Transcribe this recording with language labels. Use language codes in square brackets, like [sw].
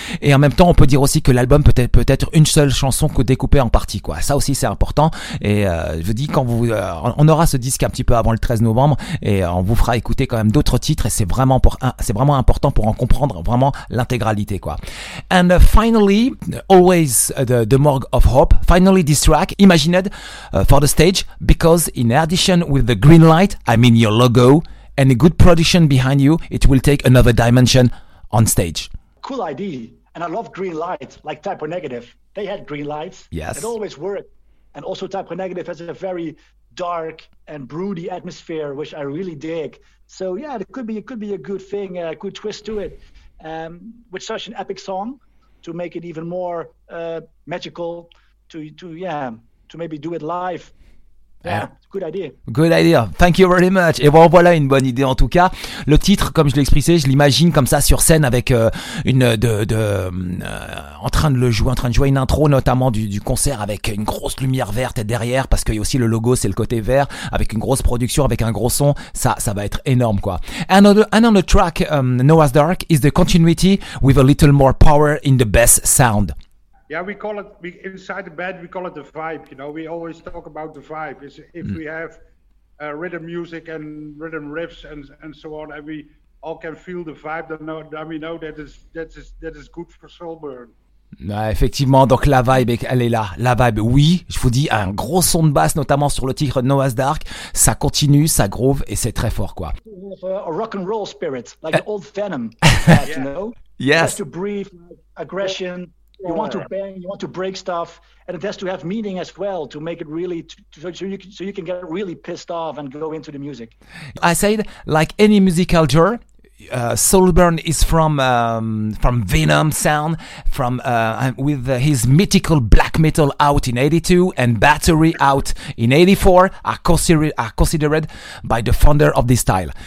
[fr] Et en même temps, on peut dire aussi que l'album peut-être une seule chanson découpée en partie, quoi. Ça aussi, c'est important. Et je vous dis, quand vous, on aura ce disque un petit peu avant le 13 novembre et on vous fera écouter quand même d'autres titres. Et c'est vraiment pour, c'est vraiment important pour en comprendre vraiment l'intégralité, quoi. [en] And finally, always the morgue of hope. Finally, this track imagined for the stage because in addition with the green light, I mean your logo and a good production behind you, it will take another dimension on stage. Cool idea. And I love green lights, like Type O Negative. They had green lights. Yes. It always worked. And also Type O Negative has a very dark and broody atmosphere, which I really dig. So yeah, it could be a good thing, a good twist to it. With such an epic song, to make it even more magical, to maybe do it live. Good idea. Good idea. Thank you very much. [fr] Et bon, voilà une bonne idée en tout cas. Le titre, comme je l'expliquais, je l'imagine comme ça sur scène avec en train de jouer une intro notamment du concert avec une grosse lumière verte derrière parce qu'il y a aussi le logo, c'est le côté vert avec une grosse production avec un gros son. Ça va être énorme quoi. [en] Another track, Noah's Dark is the continuity with a little more power in the bass sound. Yeah, we call it, inside the band, we call it the vibe, you know, we always talk about the vibe. It's if we have rhythm music and rhythm riffs and so on, and we all can feel the vibe, then we know that is good for Soulburn. [fr] Ouais, effectivement, donc la vibe, elle est là. La vibe, oui, je vous dis, un gros son de basse, notamment sur le titre Noah's Dark, ça continue, ça groove et c'est très fort, quoi. [en] A rock and roll spirit, like old Venom, you know? Yes. It has to breathe, aggression. You want to bang, you want to break stuff, and it has to have meaning as well to make it really, so you can get really pissed off and go into the music. I said, like any musical genre, Soulburn is from Venom sound, from with his mythical black metal out in 82 and Battery out in 84 are considered by the founder of this style.